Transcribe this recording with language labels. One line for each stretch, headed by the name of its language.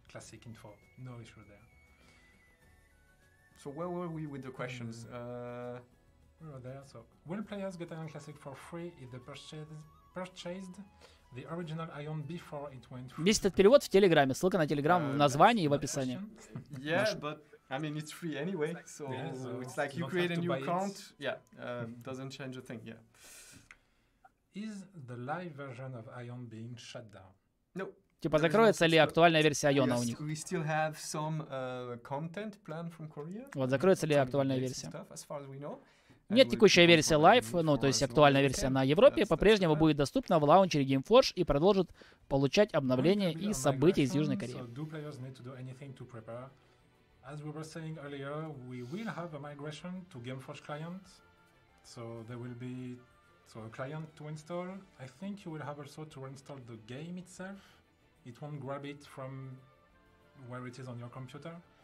English: Classic info, no issue there. So where were we with the questions? We were there. So will players get Ion Classic for free if they purchased the original Ion before it went free?
Russian: Весь этот перевод в Телеграме. Ссылка на Телеграм в названии и в описании.
English: Yeah, but I mean it's free anyway, so, yeah, so it's like you create a new account. Yeah, doesn't change a thing. Yeah. Is the live version of Ion being shut down? No.
Russian: Типа, закроется ли актуальная версия Айона у них?
English: We still have some, content plan from Korea.
Russian: Вот, закроется ли актуальная версия? Нет, текущая версия Live, ну, то есть актуальная версия на Европе, по-прежнему будет доступна в лаунчере GameForge и продолжит получать обновления и события из Южной Кореи.
English: Do players need to do anything to prepare? As we were saying earlier, we will have a migration to GameForge client. So there will be so a client to install. I think you will have also to reinstall the game itself. It won't grab it from where it is on your computer.